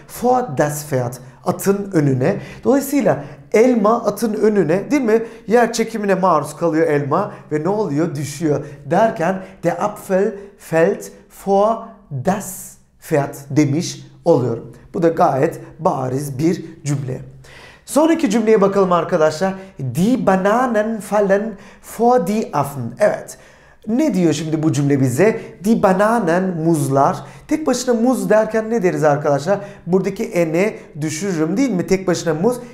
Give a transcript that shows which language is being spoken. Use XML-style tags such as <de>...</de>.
<de>Vor das Pferd,</de> <tr>atın önüne. Dolayısıyla elma atın önüne, değil mi? Yer çekimine maruz kalıyor elma ve ne oluyor? Düşüyor derken</tr> <de>der Apfel fällt vor das Pferd</de> <tr>demiş oluyorum. Bu da gayet bariz bir cümle. Sonraki cümleye bakalım arkadaşlar.</tr> <de>Die Bananen fallen vor die Affen.</de> <tr>Evet. Ne diyor şimdi bu cümle bize?</tr> <de>Die Bananen,</de> <tr>muzlar. Tek başına muz derken ne deriz arkadaşlar? Buradaki en'e düşürürüm, değil mi? Tek başına muz.</tr>